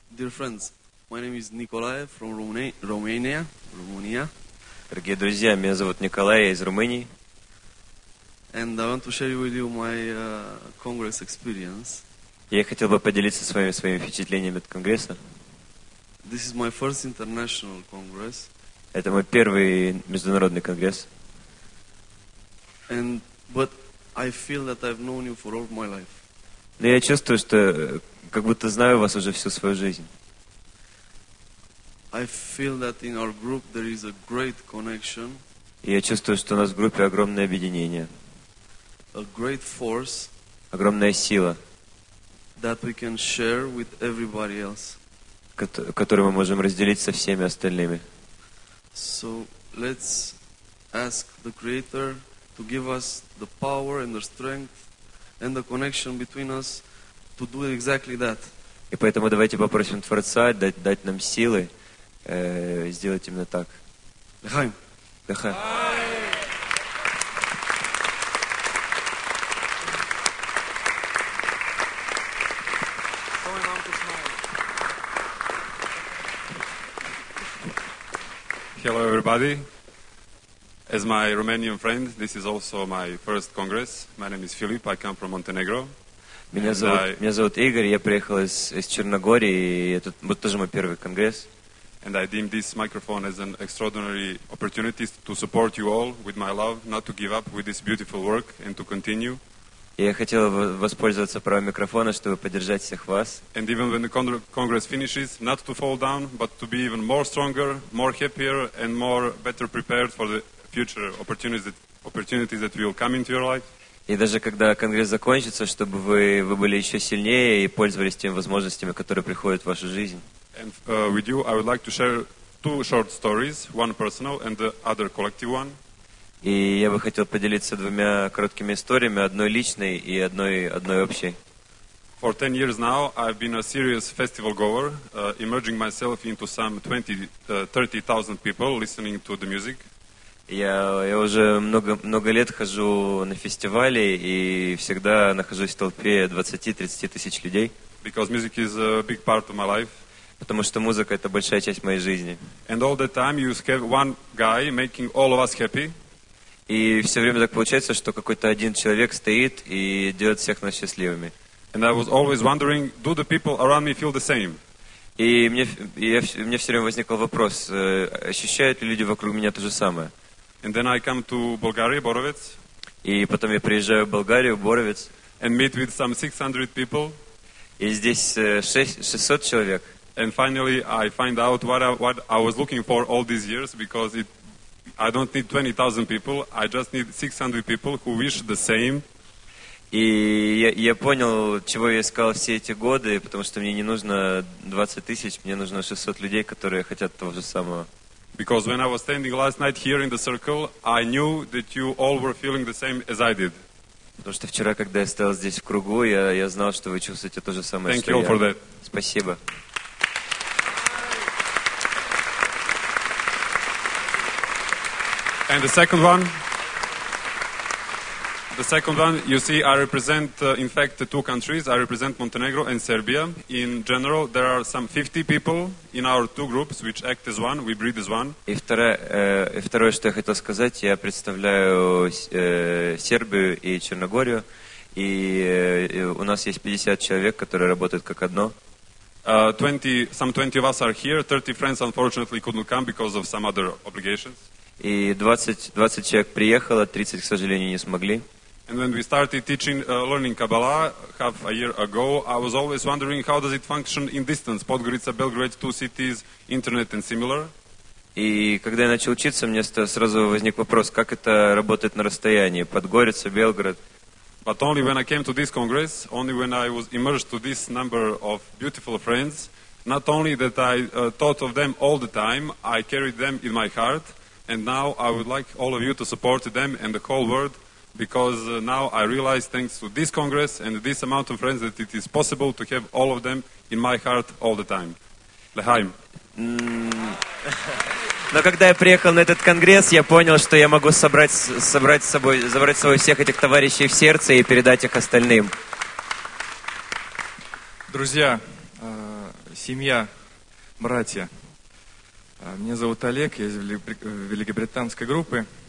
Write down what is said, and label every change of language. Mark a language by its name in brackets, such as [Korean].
[English] Friends, my name is Nikolai from Romania. [Russian] Дорогие друзья, меня зовут Николай, я из Румынии. [English] And I want to share with you my congress experience. [Russian] Я хотел бы поделиться с вами своими впечатлениями от конгресса. [English] This is my first international congress. [Russian] Это мой первый международный конгресс. [English] And but I feel that I've known you for all my life. [Russian] Но я чувствую, что как будто знаю вас уже всю свою жизнь. [English] I feel that in our group there is a great connection. [Russian] Я чувствую, что у нас в группе огромное объединение. [English] A great force. [Russian] Огромная сила. [English] That we can share with everybody else. [Russian] Которую мы можем разделить со всеми остальными. [English] So let's ask the Creator to give us the power and the strength and the connection between us to do exactly that. [Russian] И поэтому давайте попросим Творца дать нам силы. Сделать именно так. [Hebrew] Лехаим. Лехаим. [English] Hello, everybody. As my Romanian friend, this is also my first congress. My name is Filip, I come from Montenegro. [Russian] Меня зовут Игорь, я приехал из Черногории, и это вот тоже мой первый конгресс. [English] And I deem this microphone as an extraordinary opportunity to support you all with my love, not to give up with this beautiful work and to continue. [Russian] Я хотел воспользоваться правом микрофона, чтобы поддержать всех вас. [English] And even when the congress finishes, not to fall down, but to be even more stronger, more happier, and more better prepared for the future opportunities that will come into your life. [Russian] И даже когда конгресс закончится, чтобы вы были еще сильнее и пользовались теми возможностями, которые приходят в вашу жизнь. [English] And with you, I would like to share two short stories, one personal and the other collective one. [Russian] И я бы хотел поделиться двумя короткими историями, одной личной и одной общей. [English] For 10 years now, I've been a serious festival goer, immersing myself into some 20-30,000 people listening to the music. [Russian] Я уже много лет хожу на фестивали и всегда нахожусь в толпе 20-30 тысяч людей. [English] Because music is a big part of my life. [Russian] Потому что музыка — это большая часть моей жизни. [English] And all the time you have one guy making all of us happy. [Russian] И все время так получается, что какой-то один человек стоит и делает всех нас счастливыми. [English] And I was always wondering, do the people around me feel the same? [Russian] И мне все время возникал вопрос, ощущают ли люди вокруг меня то же самое? [English] And then I come to Bulgaria, Borovets. [Russian] И потом я приезжаю в Болгарию, Боровец. [English] And meet with some 600 people. [Russian] И здесь 600 человек. [English] And finally I find out what I was looking for all these years, because I don't need 20,000 people, I just need 600 people who wish the same. [Russian] И я понял, чего я искал все эти годы, потому что мне не нужно 20 тысяч, мне нужно 600 людей, которые хотят того же самого. [English] Because when I was standing last night here in the circle, I knew that you all were feeling the same as I did. [Russian] Потому что вчера, когда я стоял здесь в кругу, я знал, что вы чувствуете то же самое, [English] Thank [Russian] что я. [English] Thank you all for that. [Russian] Спасибо. [English] And the second one. The second one, you see, I represent, in fact, the two countries. I represent Montenegro and Serbia. In general, there are some 50 people in our two groups, which act as one, we breathe as one. [Russian] И второе, что я хотел сказать, я представляю Сербию и Черногорию, и у нас есть 50 человек, которые работают как одно. [English] Some 20 of us are here. 30 friends, unfortunately, couldn't come because of some other obligations. [Russian] И 20 человек приехало, 30, к сожалению, не смогли. [English] And when we started teaching, learning Kabbalah half a year ago, I was always wondering how does it function in distance, Podgorica, Belgrade, two cities, internet and similar. [Russian] И когда я начал учиться, мне сразу возник вопрос, как это работает на расстоянии, Подгорица, Белград. [English] But only when I came to this Congress, only when I was immersed to this number of beautiful friends, not only that I thought of them all the time, I carried them in my heart, and now I would like all of you to support them and the whole world. Because now I realize, thanks to this Congress and this amount of friends, that it is possible to have all of them in my heart all the time. [Hebrew] L'chaim. [Russian] Но когда я приехал на этот конгресс, я понял, что я могу забрать с собой всех этих товарищей в сердце и передать их остальным. Друзья, семья, братья, меня зовут Олег, я из Великобританской группы.